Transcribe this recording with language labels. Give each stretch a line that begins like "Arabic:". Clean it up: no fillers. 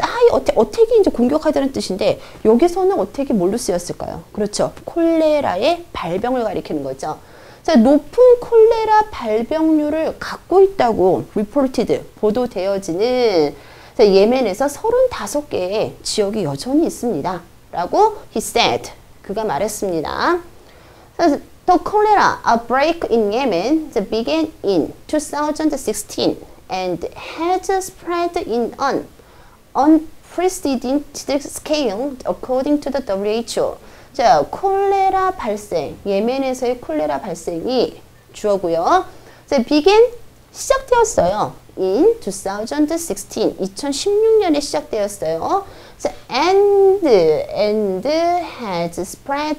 Korean: 어택이 이제 공격하다는 뜻인데 여기서는 어택이 뭘로 쓰였을까요? 그렇죠. 콜레라의 발병을 가리키는 거죠. 자, 높은 콜레라 발병률을 갖고 있다고 reported, 보도되어지는 자, 예멘에서 35개의 지역이 여전히 있습니다. 라고
English: he said,
Korean: 그가 말했습니다.
English: 자, the cholera outbreak in Yemen began in 2016 and had spread in an unprecedented scale according to the WHO.
Korean: 자, 콜레라 발생, 예멘에서의 콜레라 발생이 주어고요. 자, begin 시작되었어요. In 2016, 2016년에 시작되었어요.
English: So, and has spread.